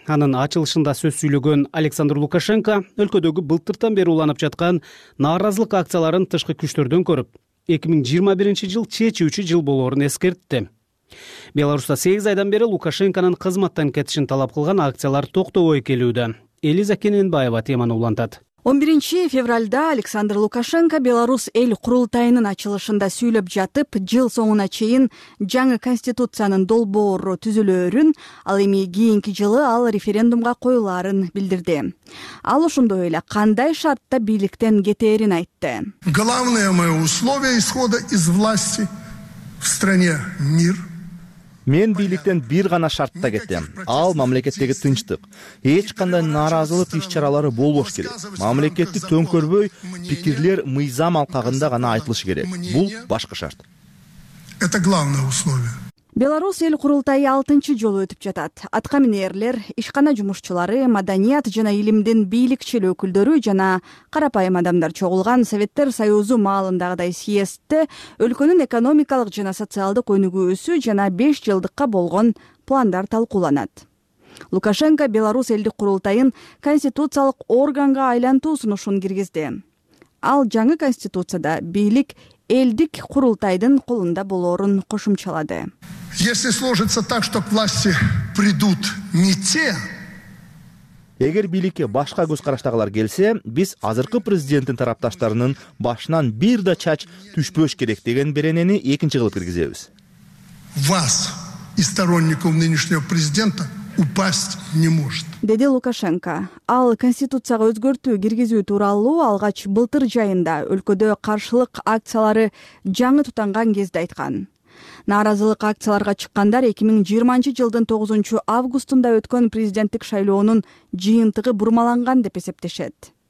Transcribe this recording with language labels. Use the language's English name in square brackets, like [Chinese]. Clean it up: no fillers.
[Kyrgyz] Анын ачылышында сөз сүйлөгөн Александр Лукашенко өлкөдөгү былтыртан бери уланып жаткан нааразылык акцияларын тышкы күчтөрдөн көрүп 2021 жыл чечүүчү жыл болоорун эскертти. Беларусьта 8 айдан бери Лукашенконун кызматтан кетишин талап кылган акциялар токтобой келүүдө. Элиза Кененбаева теманы улантат. 11 февральда Александр Лукашенко Беларусь эл курултайынын ачылышында сүйлөп жатып, жыл соңуна чейин жаңы конституциянын долбоору түзүлөөрүн, ал эми кийинки жылы ал референдумга коюларын билдирди. Ал ошондой эле кандай шартта бийликтен кетээрин айтты. [Russian] Главное мое условие исхода из власти в стране мир. [Kyrgyz] Мен бийликтен бир гана шартта кетем. Ал мамлекеттеги тынчтык. Эч кандай нааразылык иш-чаралары болбош керек. Мамлекетти төңкөрбөй пикирлер мыйзам алкагында гана айтылышы керек. Бул башка шарт. [Russian] Это главное условие. [Kyrgyz] Беларусь эл курултайы 6-жолу өтүп жатат. Аткаминерлер, ишкана жумушчулары, маданият жана илимдин бийликчил өкүлдөрү жана карапайым адамдар чогулган Советтер Союзу маалындагыдай съездде өлкөнүн экономикалык жана социалдык өнүгүүсү жана 5 жылдыкка болгон пландар талкууланат. Лукашенко Беларусь элдик курултайын конституциялык органга айлантуу сунушун киргизди. Ал жаңы конституцияда бийлик элдик курултайдын колунда болоорун кошумчалады. [Russian] Если сложится так, что к власти придут не те, [Kyrgyz] эгер бийликке башка көз караштагылар келсе, биз азыркы президенттин тарапташтарынын башынан бир да чач түшпөш керек деген беренени экинчи кылып киргизебиз. [Russian] Вас и сторонников нынешнего президента упасть не может. [Kyrgyz] Деди Лукашенко. Ал конституцияга өзгөртүү киргизүү тууралуу алгач былтыр жайында өлкөдө каршылык акциялары жаңы тутанган кезде айткан. Нааразылык акцияларга чыккандар 2020 жылдын 9 августунда өткөн президенттик шайлоонун жыйынтыгы бурмаланган деп эсептешет.